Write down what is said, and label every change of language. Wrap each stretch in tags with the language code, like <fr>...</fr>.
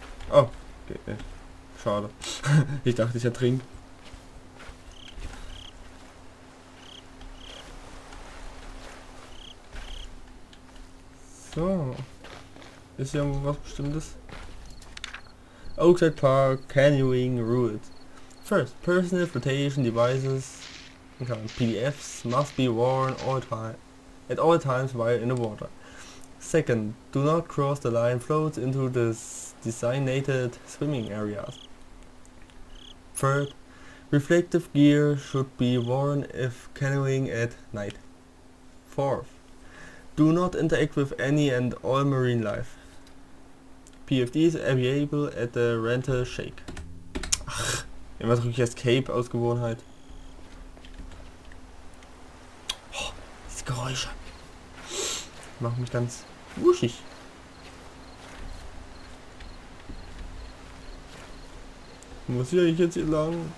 <de>Oh, geht nicht. Schade. Ich dachte, ich ertrink. So. Ist hier irgendwas Bestimmtes?</de> <en>Oakside Park Canyoning Ruled. First, personal flotation devices, PDFs, must be worn at all times while in the water. Second, do not cross the line floats into the designated swimming areas. Third, reflective gear should be worn if canoeing at night. Fourth, do not interact with any and all marine life. PFD is available at the rental shake.</en> <de>Ach, immer drücke ich Escape aus Gewohnheit. Oh, diese Geräusche. Mach mich ganz wuschig. Muss ich eigentlich jetzt hier lang?</de>